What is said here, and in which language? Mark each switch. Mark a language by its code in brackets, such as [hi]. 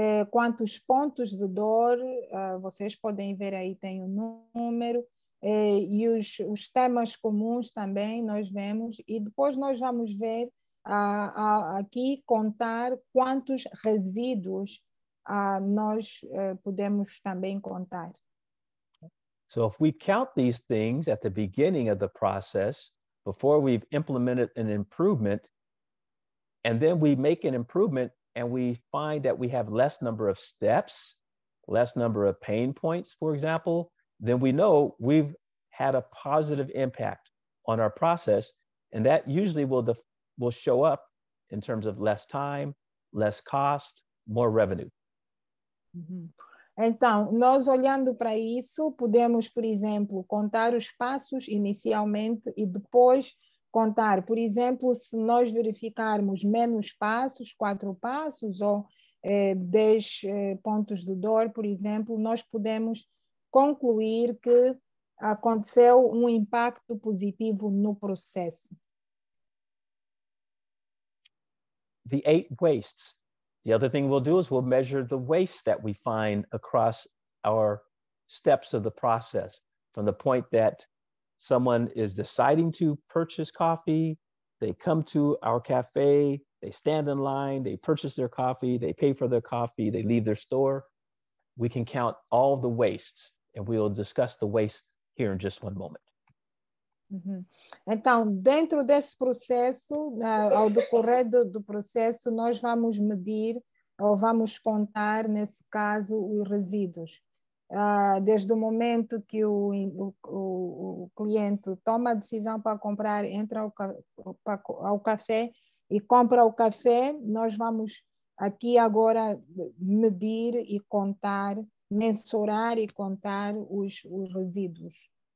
[pt] Quantos pontos de dor, vocês podem ver aí, tem o número, e os temas comuns também nós vemos, e depois nós vamos ver aqui contar quantos resíduos nós podemos também contar. [en] So if we count these things at the beginning of the process, before we've implemented an improvement, and then we make an improvement, and we find that we have less number of steps, less number of pain points, for example, then we know we've had a positive impact on our process. And that usually will show up in terms of less time, less cost, more revenue. Mm-hmm. [pt] Então, nós olhando para isso, podemos, por exemplo, contar os passos inicialmente e depois contar, por exemplo, se nós verificarmos menos passos, 4 passos ou 10 pontos de dor, por exemplo, nós podemos concluir que aconteceu um impacto positivo no processo. [en] The 8 wastes. The other thing we'll do is we'll measure the waste that we find across our steps of the process, from the point that someone is deciding to purchase coffee, they come to our cafe, they stand in line, they purchase their coffee, they pay for their coffee, they leave their store. We can count all the wastes, and we'll discuss the waste here in just one moment. Uhum. [pt] Então, dentro desse processo, ao decorrer do processo, nós vamos medir ou vamos contar, nesse caso, os resíduos. Desde o momento que o cliente toma a decisão para comprar, entra ao café e compra o café, nós vamos aqui agora medir e contar, mensurar e contar os resíduos.